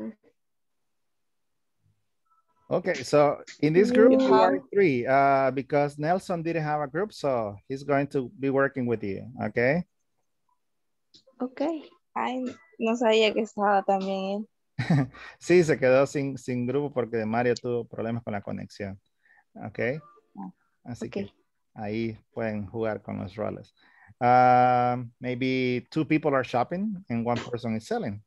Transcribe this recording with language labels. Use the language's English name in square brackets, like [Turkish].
[English] Mm-hmm. Okay, so in this group, you are three because Nelson didn't have a group, so he's going to be working with you, okay? [Spanish] Okay, I no sabía que estaba también. Sí, se quedó sin grupo porque Mario tuvo problemas con la conexión, okay? Así okay. Que ahí pueden jugar con los roles. [English] Maybe two people are shopping and one person is selling.